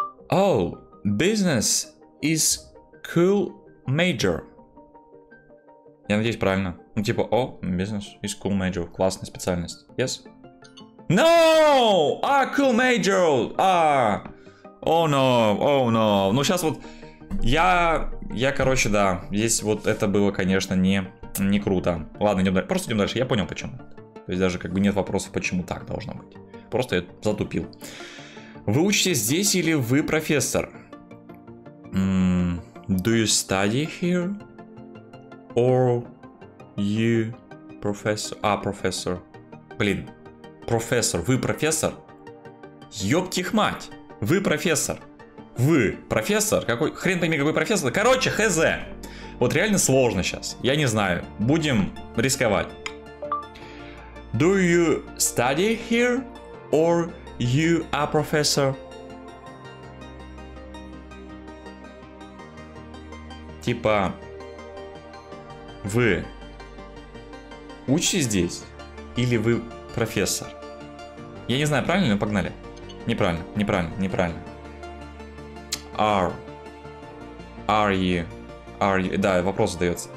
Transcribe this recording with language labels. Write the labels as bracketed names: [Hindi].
[English] Oh, business is cool major. [Russian] Я надеюсь, правильно. Ну, типа, [English] oh, business is cool major. [Russian] Классная специальность. [English] Yes. No! А, cool major! А! Oh no! Oh no! [Russian] Ну сейчас вот я короче, да. Здесь вот это было, конечно, не круто. Ладно, идем дальше. Просто идем дальше. Я понял, почему. То есть даже как бы нет вопросов, почему так должно быть. Просто я затупил. Вы учитесь здесь или вы профессор? [English] Do you study here? Or you professor? [Russian] А, профессор. Блин. Профессор, вы профессор? Ёптих мать! Вы профессор? Вы профессор? Какой хрен пойми, какой профессор? Короче, хз. Вот реально сложно сейчас. Я не знаю. Будем рисковать. [English] Do you study here or you a professor? [Russian] Типа вы учитесь здесь или вы профессор? Я не знаю, правильно, но погнали. Неправильно, неправильно, неправильно. [English] Are. Are you? Are you? [Russian] Да, вопрос задается.